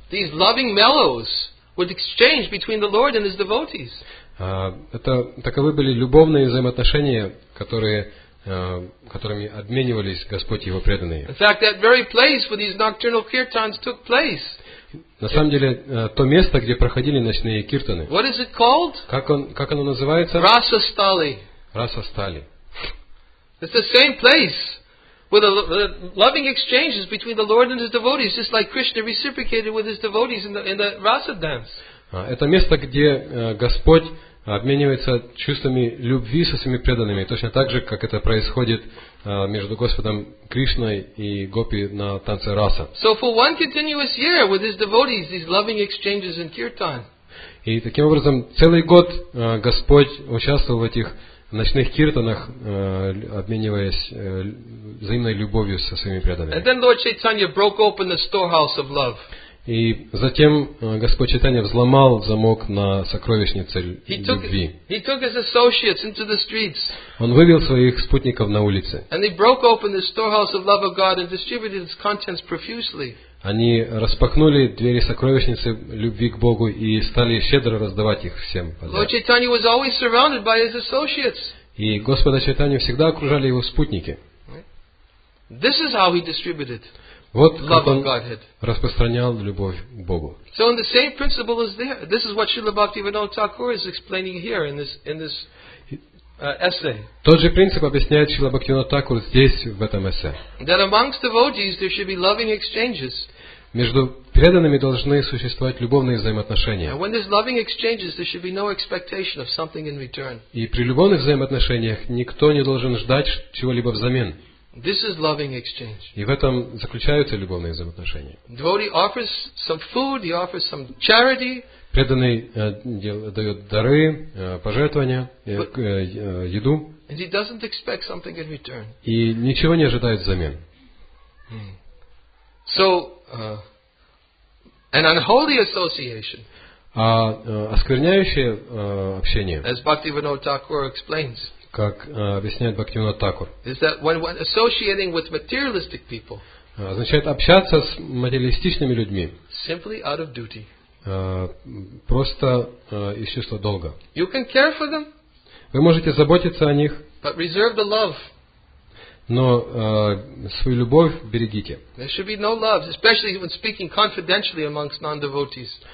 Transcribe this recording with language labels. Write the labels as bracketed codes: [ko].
[en] These loving mellows would exchange between the Lord and his devotees. [ru] Таковы были любовные взаимоотношения, которыми обменивались Господь и его преданные. [en] In fact, that very place where these nocturnal kirtans took place. [ru] На самом деле, то место, где проходили ночные киртаны. [en] What is it called? [ru] Как оно называется? Расастали. Расастали. [en] It's the same place with the loving exchanges between the Lord and his devotees, just like Krishna reciprocated with his devotees in the Rasa dance. [ru] Это место, где Господь обменивается чувствами любви со своими преданными, точно так же, как это происходит между Господом Кришной и Гопи на танце Раса. [en] So for one continuous year with his devotees, these loving exchanges in kirtan. [ru] И таким образом целый год Господь участвовал в этих ночных киртанах, обмениваясь взаимной любовью со своими преданными. [en] And then Lord Chaitanya broke open the storehouse of love. [ru] И затем Господь Чайтанья взломал замок на сокровищнице любви. [en] He took his associates into the streets. [ru] Он вывел своих спутников на улицы. [en] And they broke open the storehouse of love of God and distributed its contents profusely. [ru] Они распахнули двери сокровищницы любви к Богу и стали щедро раздавать их всем. [en] Lord Chaitanya was always surrounded by his associates. [ru] И Господа Чайтанью всегда окружали его спутники. [en] This is how he distributed. [ru] Вот [en] love [ru] как он [en] Godhead. [ru] Распространял любовь к Богу. [en] So in the same principle is there. This is what Srila Bhaktivinoda Thakur is explaining here in this essay. [ru] Тот же принцип объясняет Шрила Бхактивинода Тхакур здесь, в этом эссе. [en] That amongst devotees there should be loving exchanges. [ru] Между преданными должны существовать любовные взаимоотношения. [en] And when there's loving exchanges, there should be no expectation of something in return. [ru] И при любовных взаимоотношениях никто не должен ждать чего-либо взамен. [en] This is loving exchange. [ru] И в этом заключаются любовные взаимоотношения. [en] Devotee offers some food, he offers some charity. [ru] Преданный дает дары, пожертвования, еду. [en] And he doesn't expect something in return. [ru] И ничего не ожидает взамен. [en] So, an unholy association. [ru] А оскверняющее общение. [en] As Bhaktivinoda Thakur explains. [ru] Как объясняет Бхактивинода Такур. [en] Is that when associating with materialistic people? [ru] Означает общаться с материалистичными людьми. [en] Simply out of duty. [ru] Просто из чувства долга. [en] You can care for them. [ru] Вы можете заботиться о них. [en] But reserve the love. [ru] Но свою любовь берегите. [en] There should be no love, especially when speaking confidentially amongst non-devotees.